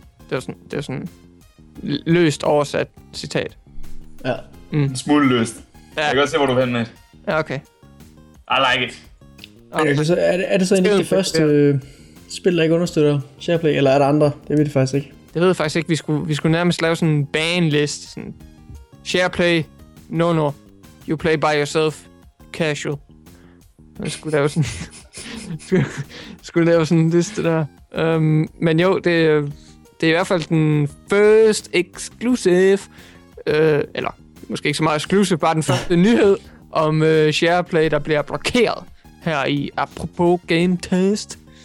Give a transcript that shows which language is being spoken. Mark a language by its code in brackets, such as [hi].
[da] Det var sådan løst oversat citat. Ja. Mm. En smule løst. Ja. Jeg kan godt se, hvor du vil hen med. Ja, okay. [en] I like it. [da] Okay. Okay, så er det så egentlig det første spil, der ikke understøtter shareplay, eller er der andre? Det ved jeg faktisk ikke. Det ved jeg faktisk ikke. Vi skulle nærmest lave sådan en banlist. Sådan shareplay, no. [en] You play by yourself, casual. [da] Jeg skulle lave sådan en liste der. Men jo, det er i hvert fald den [en] first exclusive, [da] eller måske ikke så meget exclusive, bare den første nyhed om shareplay, der bliver blokeret her i apropos game test.